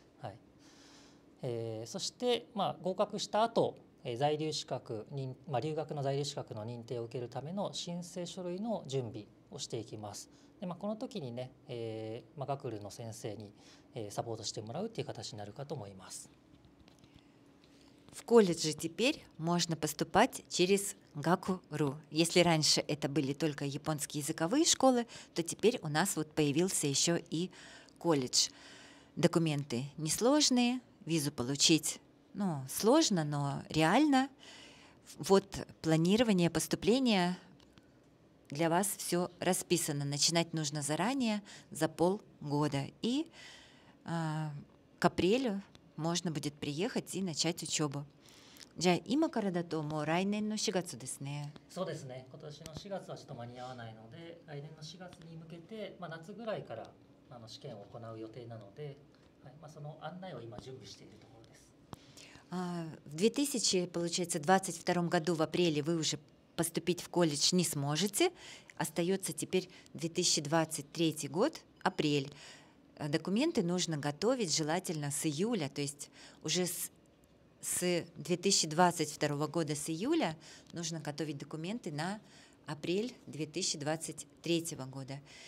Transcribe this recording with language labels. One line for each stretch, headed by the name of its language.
Japanese: はい。そして、合格した後、在留資格、留学の在留資格の認定を受けるための申請書類の準備をしていきます。で、この時にね、学ルの先生に、サポートしてもらうという形になるかと思います。
Russian: В колледже теперь можно поступать через Гакуру. Если раньше это были только японские языковые школы, то теперь у нас вот появился еще и колледж. Документы несложные, визу получить, сложно, но реально. Вот планирование поступления. Для вас все расписано. Начинать нужно заранее, за 0.5 года. И к апрелю можно будет приехать и начать учебу.
Japanese: Джа, има карадато мо райнен но 4月ですね. そうですね. 今年の4月はちょっと間に合わないので、来年の4月に向けて、夏ぐらいから試験を行う予定なので、その案内を今準備しているところです。
Russian: В 2000, получается, 22 году в апреле вы уже поступить в колледж не сможете. Остается теперь 2023 год, апрель. Документы нужно готовить желательно с июля. То есть уже с 2022 года, с июля, нужно готовить документы на апрель 2023 года.